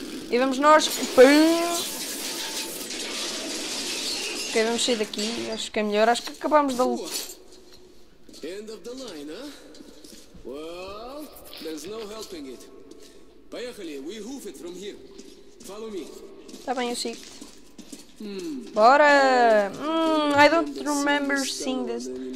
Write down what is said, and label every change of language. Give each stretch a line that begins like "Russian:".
Portuguese: E vamos nós. Ok, vamos sair daqui, acho que é melhor, acho que acabamos da luta.
English: End of the line, huh? Well, there's no helping it.
Russian: Поехали,
English: we hoof it from here. Follow me.
Portuguese: Tá bem, eu sigo. Bora!
English: I don't remember seeing this.